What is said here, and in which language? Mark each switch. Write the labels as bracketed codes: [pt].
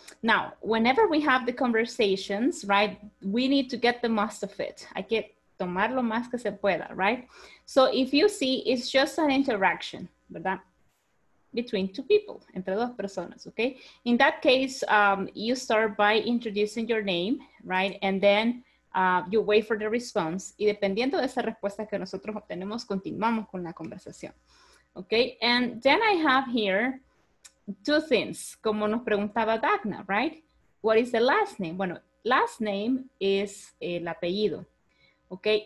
[en] Now, whenever we have the conversations, right, we need to get the most of it. [es] Hay que tomar lo más que se pueda, right? [en] So if you see, it's just an interaction, ¿verdad? Between two people, [es] entre dos personas, [en] okay? In that case, you start by introducing your name, right? And then you wait for the response. [es] Y dependiendo de esa respuesta que nosotros obtenemos, continuamos con la conversación, okay? [en] And then I have here two things, [es] como nos preguntaba Dagna, [en] right? What is the last name? [es] Bueno, last name is el apellido, okay?